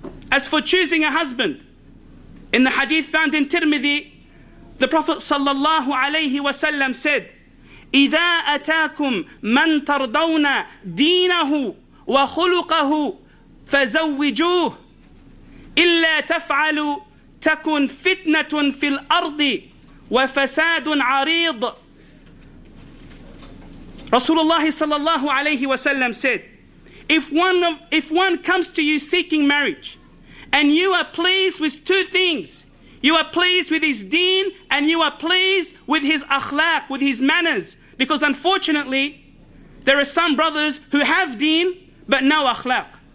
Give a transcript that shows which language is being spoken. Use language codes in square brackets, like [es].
[en] As for choosing a husband, in the hadith found in Tirmidhi, the Prophet sallallahu alayhi wa sallam said, [ar] "إِذَا أَتَاكُمْ مَنْ تَرْضَوْنَ دِينَهُ وَخُلُقَهُ فَزَوِّجُوهُ." إلا تفعل تكن فتنة في الأرض وفساد عريض. [en] Rasulullah sallallahu alayhi wa sallam said, if one comes to you seeking marriage and you are pleased with two things, you are pleased with his deen and you are pleased with his akhlaq, with his manners, because unfortunately there are some brothers who have deen but no akhlaq.